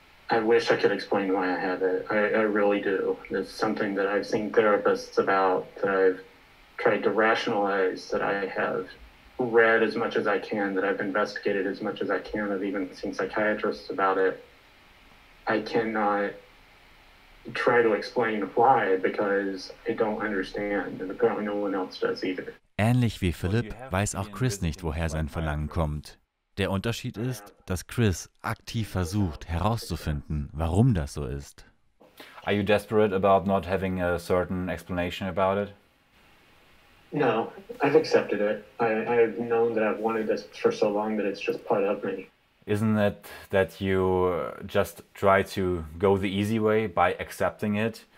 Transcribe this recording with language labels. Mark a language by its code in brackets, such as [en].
[en] I wish I could explain why I have it. I really do. It's something that I've seen therapists about, that I've tried to rationalize, that I have read as much as I can, that I've investigated as much as I can, I've even seen psychiatrists about it. I cannot try to explain why, because I don't understand, and apparently no one else does either. [de] Ähnlich wie Philipp weiß auch Chris nicht, woher sein Verlangen kommt. Der Unterschied ist, dass Chris aktiv versucht, herauszufinden, warum das so ist. [en] Are you desperate about not having a certain explanation about it? No, I've accepted it. I've known that I've wanted this for so long that it's just part of me. Isn't it that you just try to go the easy way by accepting it?